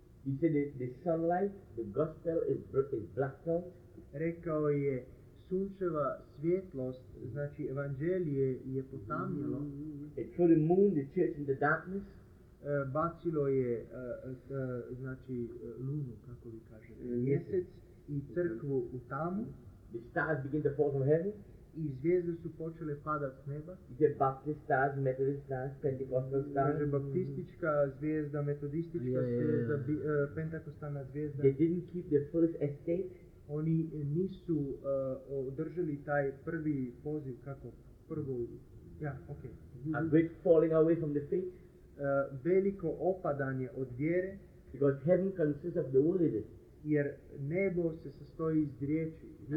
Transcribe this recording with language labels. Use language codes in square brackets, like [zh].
[en] he said the sunlight, the gospel is blacked out. [sr] Rekao je sunčeva svjetlost, znači evanđelje je potamnjelo. [en] It threw the moon, the church in the darkness. [sr] Bacilo je znači lunu, kako vi kažete, mjesec i crkvu u tamu. [en] The stars begin to fall from heaven. [sr] I zvijezde su počele padat s neba. [en] The Baptist stars, Methodist stars, Pentecostal stars. [sr] Kaže baptistička zvijezda, metodistička zvijezda, pentakostalna zvijezda. [en] They didn't keep the first estate. [sr] Oni nisu održali taj prvi poziv, kako prvo, ja, okej. [en] Okay. A great falling away from the faith. [sr] Veliko opadanje od vjere. [en] Because heaven consists of the word. [sr] Jer nebo se sastoji iz riječi.